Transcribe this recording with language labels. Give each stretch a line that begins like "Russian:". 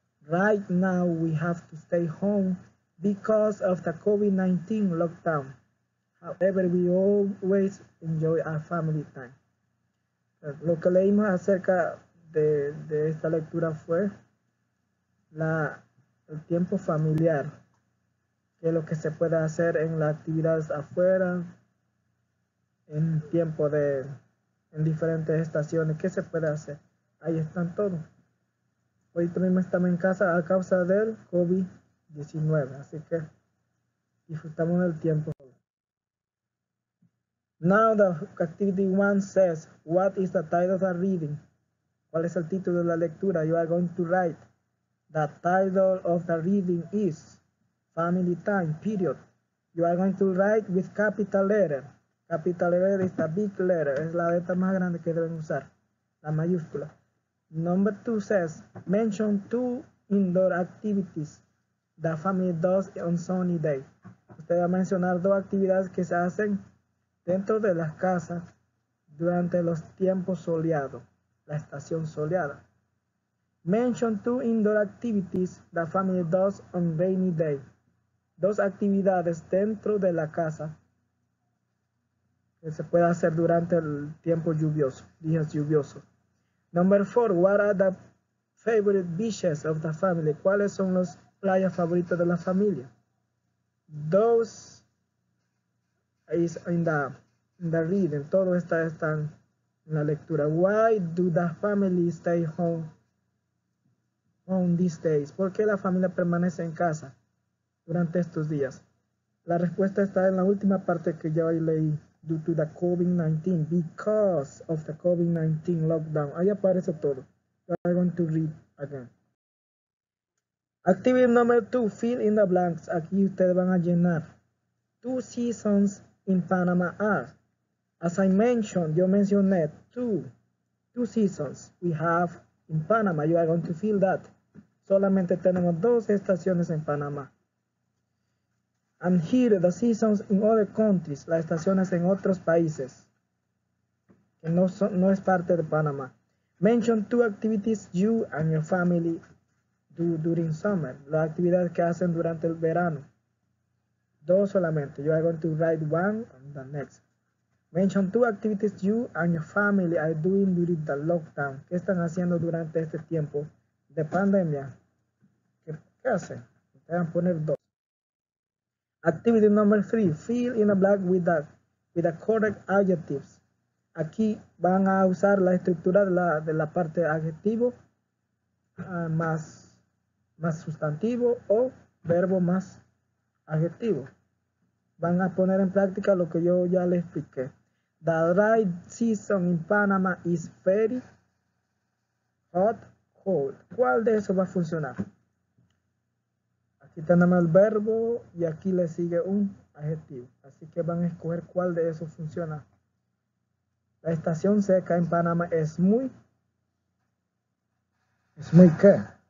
English: Right now we have to stay home because of the COVID-19 lockdown. However, we always enjoy our family time.
Spanish: Lo que leímos acerca de esta lectura fue el tiempo familiar. Que lo que se puede hacer en las actividades afuera, en tiempo de, en diferentes estaciones, ¿qué se puede hacer? Ahí están todos. Hoy mismo estamos en casa a causa del COVID-19, así que disfrutamos del tiempo.
English: Now the activity one says, what is the title of the reading?
Spanish: ¿Cuál es el título de la lectura?
English: You are going to write. The title of the reading is Family Time, period. You are going to write with capital letter. Capital letter is the big letter.
Spanish: Es la letra más grande que deben usar. La mayúscula.
English: Number two says, mention two indoor activities that family does on sunny day.
Spanish: Usted va a mencionar dos actividades que se hacen dentro de las casas durante los tiempos soleados, la estación soleada.
English: Mention two indoor activities that family does on rainy day.
Spanish: Dos actividades dentro de la casa que se puede hacer durante el tiempo lluvioso, días lluviosos.
English: Number four, what are the favorite dishes of the family?
Spanish: ¿Cuáles son los platos favoritos de la familia?
English: Those is in the reading.
Spanish: Todo está en la lectura.
English: Why do the family stay home these days?
Spanish: ¿Por qué la familia permanece en casa durante estos días? La respuesta está en la última parte que ya leí.
English: Due to the COVID-19, because of the COVID-19 lockdown.
Spanish: Ahí aparece todo.
English: So I'm going to read again. Activity number two, fill in the blanks.
Spanish: Aquí ustedes van a llenar.
English: Two seasons in Panama are, as I mentioned,
Spanish: yo mencioné
English: two seasons we have in Panama. You are going to fill that.
Spanish: Solamente tenemos dos estaciones en Panamá.
English: And here the seasons in other countries,
Spanish: las estaciones en otros países, que no es parte de Panamá.
English: Mention two activities you and your family do during summer.
Spanish: Las actividades que hacen durante el verano. Dos solamente.
English: You are going to write one on the next. Mention two activities you and your family are doing during the lockdown.
Spanish: ¿Qué están haciendo durante este tiempo de pandemia? ¿Qué hacen? Te van a poner dos.
English: Activity number three, fill in a blank with the correct adjectives.
Spanish: Aquí van a usar la estructura de la parte adjetivo más sustantivo o verbo más adjetivo. Van a poner en práctica lo que yo ya les expliqué.
English: The dry season in Panama is very hot, cold.
Spanish: ¿Cuál de esos va a funcionar? Aquí tenemos el verbo y aquí le sigue un adjetivo. Así que van a escoger cuál de esos funciona. La estación seca en Panamá es muy... ¿Es muy qué?